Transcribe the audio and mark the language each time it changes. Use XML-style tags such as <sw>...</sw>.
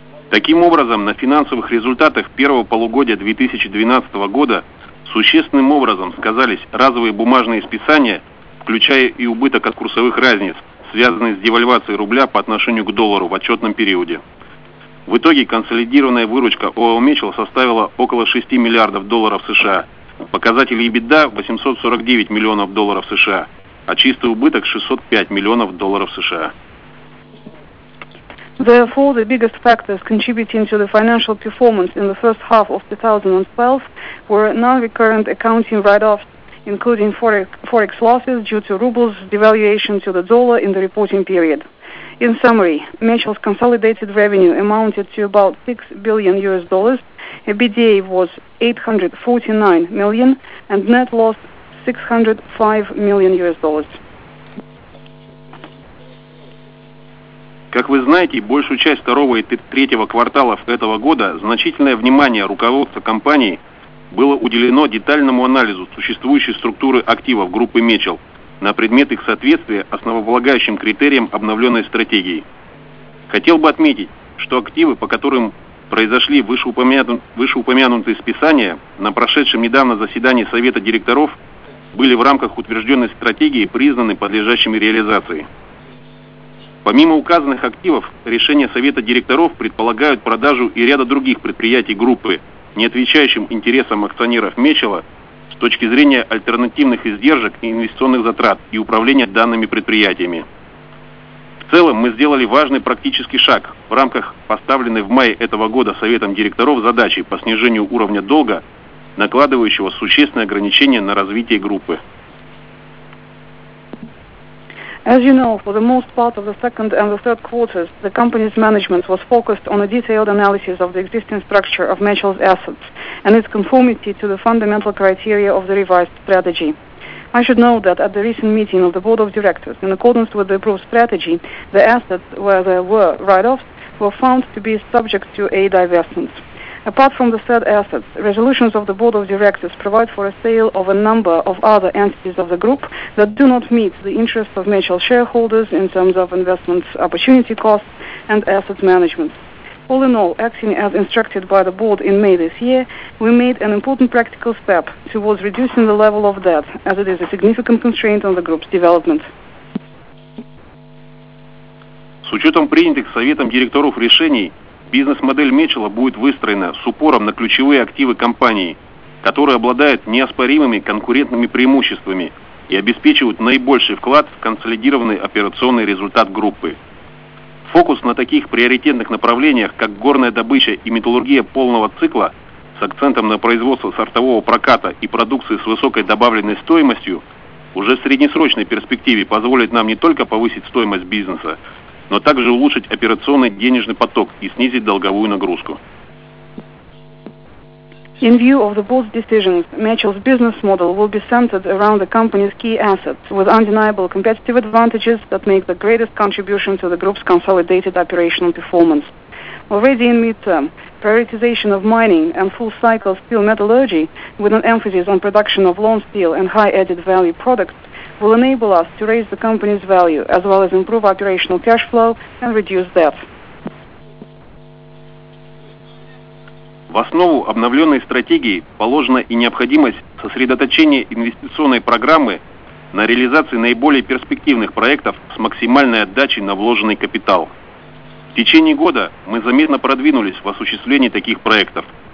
<ru>Таким образом, на финансовых результатах первого полугодия 2012 года существенным образом сказались разовые бумажные списания, включая и убыток от курсовых разниц, связанные с девальвацией рубля по отношению к доллару в отчетном периоде. В итоге консолидированная выручка ООО «Мечел» составила около 6 миллиардов долларов США, показатель EBITDA – 849 миллионов долларов США, а чистый убыток – 605 миллионов долларов США.</ru> <en>Therefore, the biggest factors contributing to the financial performance in the first half of 2012 were non-recurrent accounting write-offs, including forex losses due to rubles devaluation to the dollar in the reporting period. In summary, Mitchell's consolidated revenue amounted to about $6 billion, EBITDA was $849 million, and net loss $605 million.</en> <ru>Как вы знаете, большую часть второго и третьего кварталов этого года значительное внимание руководства компании было уделено детальному анализу существующей структуры активов группы Mitchell на предмет их соответствия основополагающим критериям обновленной стратегии. Хотел бы отметить, что активы, по которым произошли вышеупомянутые списания, на прошедшем недавно заседании Совета директоров были в рамках утвержденной стратегии признаны подлежащими реализации. Помимо указанных активов, решения Совета директоров предполагают продажу и ряда других предприятий группы, не отвечающим интересам акционеров Мечела с точки зрения альтернативных издержек и инвестиционных затрат и управления данными предприятиями. В целом, мы сделали важный практический шаг в рамках поставленной в мае этого года Советом директоров задачи по снижению уровня долга, накладывающего существенные ограничения на развитие группы.</ru> <en>As you know, for the most part of the second and the third quarters, the company's management was focused on a detailed analysis of the existing structure of Mitchell's assets and its conformity to the fundamental criteria of the revised strategy. I should note that at the recent meeting of the board of directors, in accordance with the approved strategy, the assets where there were write-offs were found to be subject to a divestment. Apart from the said assets, resolutions of the Board of Directors provide for a sale of a number of other entities of the group that do not meet the interests of Mitchell shareholders in terms of investment opportunity costs and asset management. All in all, acting as instructed by the Board in May this year, we made an important practical step towards reducing the level of debt, as it is a significant constraint on the group's development.</en> <ru>С учетом принятых Советом директоров решений, бизнес-модель Мечела будет выстроена с упором на ключевые активы компании, которые обладают неоспоримыми конкурентными преимуществами и обеспечивают наибольший вклад в консолидированный операционный результат группы. Фокус на таких приоритетных направлениях, как горная добыча и металлургия полного цикла с акцентом на производство сортового проката и продукции с высокой добавленной стоимостью, уже в среднесрочной перспективе позволит нам не только повысить стоимость бизнеса, но также улучшить операционный денежный поток и снизить долговую нагрузку.</ru> <en>In view of the board's decisions, Mitchell's business model will be centered around the company's key assets with undeniable competitive advantages that make the greatest contribution to the group's consolidated operational performance. Already in mid-term, prioritization of mining and full-cycle steel metallurgy with an emphasis on production of long steel and high added value products will enable us to raise the company's value, as well as improve operational cash flow and reduce debt.</en> <ru>В основу обновленной стратегии положена и необходимость сосредоточения инвестиционной программы на реализации наиболее перспективных проектов с максимальной отдачей на вложенный капитал. В течение года мы заметно продвинулись в осуществлении таких проектов.</ru>